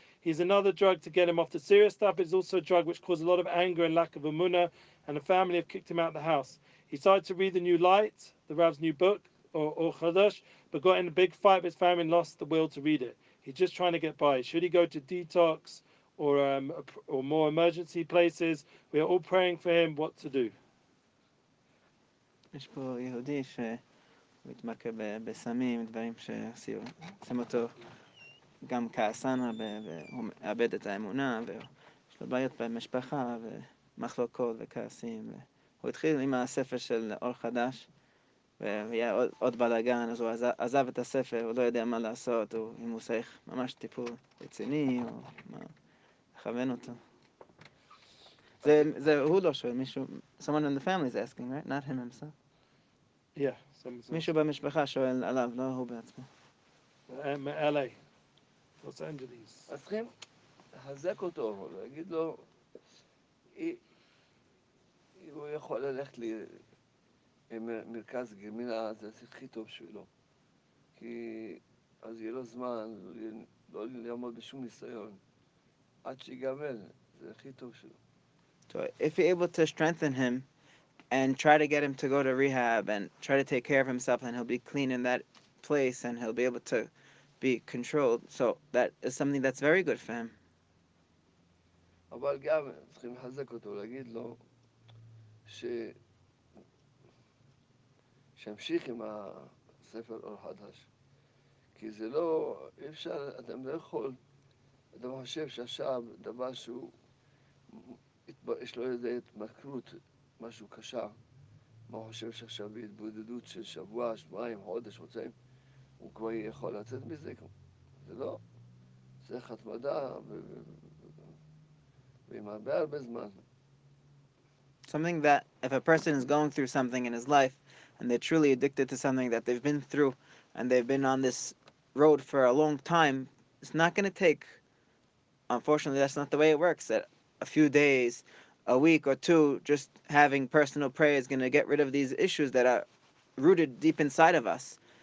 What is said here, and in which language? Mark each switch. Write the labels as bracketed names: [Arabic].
[English] He's another drug to get him off the serious stuff. It's also a drug which caused a lot of anger and lack of emunah, and the family have kicked him out of the house. He started to read The New Light, the Rav's new book, or Chadosh, but got in a big fight with his family and lost the will to read it. He's just trying to get by. Should he go to detox or more emergency places? We are all praying for him what to do. [Hebrew] יש פה יהודי שמתמקה בסמים, דברים שעושים אותו גם כעסנה, והוא מאבד את האמונה, ויש לו בעיות במשפחה, ומחלוקות וכעסים. הוא התחיל עם הספר של אור חדש, והיה עוד בלגן, אז הוא עזב את הספר, הוא לא יודע מה לעשות, אם הוא צריך ממש טיפול רציני, או מה, לכוון אותו. זה הוא לא שואל, מישהו, [English] someone in the family is asking, right? Not him himself. Yeah, [Hebrew] מישהו במשפחה שואל עליו, לא הוא בעצמו. מ-LA, Los Angeles. אז צריכים לחזק אותו, להגיד לו, הוא יכול ללכת למרכז גמילה, זה הכי טוב שלו. כי אז יהיה לו זמן, לא לעמוד בשום ניסיון, עד שיגמל, זה הכי טוב שלו. [English] So if you're able to strengthen him, and try to get him to go to rehab and try to take care of himself and he'll be clean in that place and he'll be able to be controlled. So that is something that's very good for him. [Hebrew] אבל גם צריכים לחזק אותו, להגיד לו שימשיך עם הספר אור חדש. כי זה לא, אי אפשר, אדם לא יכול, אדם חושב שעכשיו דבר שהוא, יש לו איזה התמכרות, משהו קשה, מה הוא חושב שעכשיו בהתבודדות של שבוע, שבועיים, חודש, חודשיים, הוא כבר יכול לצאת מזה, זה לא. צריך התמדה, ועם הרבה הרבה זמן. [English] Something that, if a person is going through something in his life, and they're truly addicted to something that they've been through, and they've been on this road for a long time, it's not going to take, unfortunately, that's not the way it works, that a few days, a week or two, just having personal prayer is going to get rid of these issues that are rooted deep inside of us.